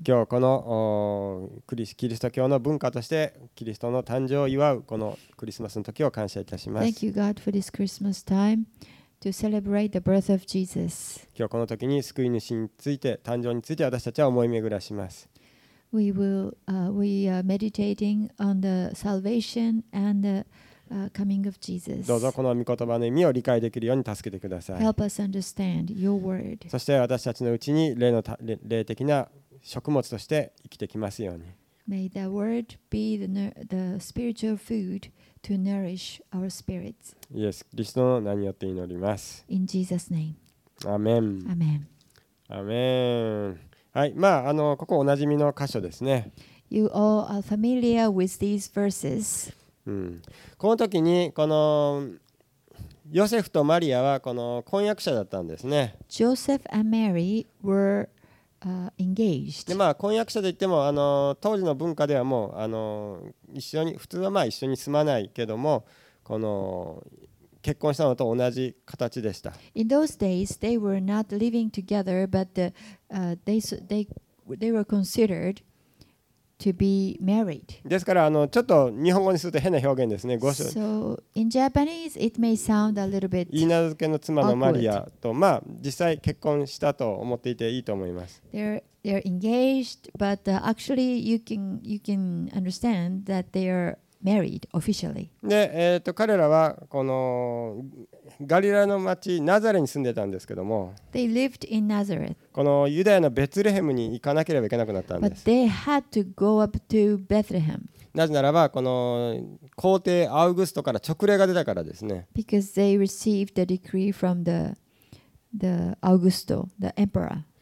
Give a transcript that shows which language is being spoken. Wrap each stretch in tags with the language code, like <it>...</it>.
<ja>今日このキリスト教の文化としてキリストの誕生を祝うこのクリスマスの時を感謝いたします。</ja> <en>Thank you, God, for this Christmas time. To celebrate the birth of Jesus.</en> <ja>今日この時に救い主について誕生について私たちは思い巡らします。</ja> <en>we are meditating on the salvation and the coming of Jesus.</en> <ja>どうぞこの御言葉の意味を理解できるように助けてください。</ja> <en>Help us understand your word.</en> <ja>そして私たちのうちに霊的な食物として生きてきますように。</ja> <en>May the word be the spiritual foodTo nourish our spirits.</en> <ja>イエス・キリストの名によって祈ります。</ja> <en>In Jesus' name.</en> <ja>アメン。アメン。アメン。はい、まあここおなじみの箇所ですね。</ja> <en>You all are familiar with these verses.</en> <ja>うん。この時にこのヨセフとマリアはこの婚約者だったんですね。</ja> <en>Joseph and Mary were engaged.</en> <ja>でまあ婚約者といっても当時の文化ではもう一緒に普通はまあ一緒に住まないけどもこの結婚したのと同じ形でした。</ja> <en>In those days, they were not living together, but they were considered to be married.</en> <ja>ですからちょっと日本語にすると変な表現ですね。</ja> <en>So in Japanese, it may sound a little bit awkward.</en> <ja>言い名付けの妻のマリアとまあ実際結婚したと思っていていいと思います。</ja> <en>They're engaged, but actually you can understand that they are married officially.</en> <ja>で、彼らはこのガリラの町ナザレに住んでたんですけども、</ja> <en>They lived in Nazareth.</en> <ja>このユダヤのベツレヘムに行かなければいけなくなったんです。</ja> <en>But they had to go up to Bethlehem.</en> <ja>なぜならばこの皇帝アウグストから勅令が出たからですね。</ja> <en>Because they received a decree from the Augusto, the emperor.</en>